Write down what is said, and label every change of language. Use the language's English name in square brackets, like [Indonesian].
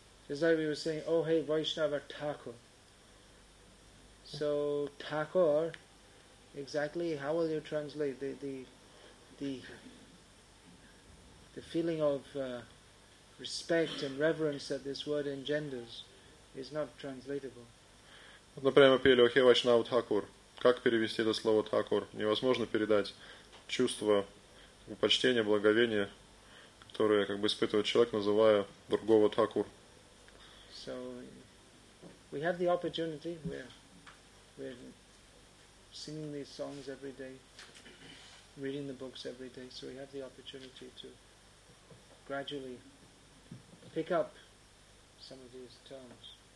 [English] As I was saying, oh hey Vaishnava Thakur. So Thakur, exactly how will you translate the feeling of respect and reverence that this word engenders is not translatable. [Russian] Например, мы пели, oh hey Vaishnava Thakur. Как перевести это слово Thakur? Невозможно передать чувство почтение, благовение, которое как бы испытывает человек, называя другого Thakur. [English] So we have the opportunity, we're singing these songs every day, reading the books every day, so we have the opportunity to gradually pick up some of these terms.